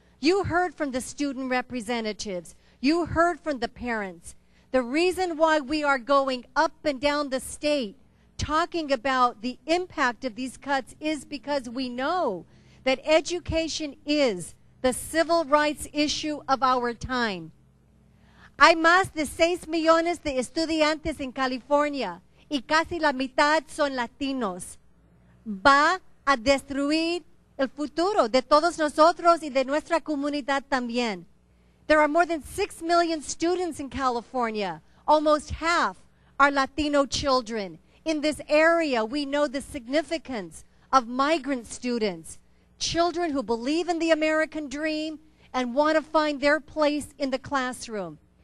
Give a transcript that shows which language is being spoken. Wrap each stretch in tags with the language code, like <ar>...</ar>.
<en>You heard from the student representatives. You heard from the parents. The reason why we are going up and down the state talking about the impact of these cuts is because we know that education is the civil rights issue of our time.</en> <es>Hay más de 6 millones de estudiantes en California y casi la mitad son latinos. Va a destruir el futuro de todos nosotros y de nuestra comunidad también.</es> <en>There are more than 6 million students in California. Almost half are Latino children. In this area, we know the significance of migrant students. Children who believe in the American dream and want to find their place in the classroom.</en>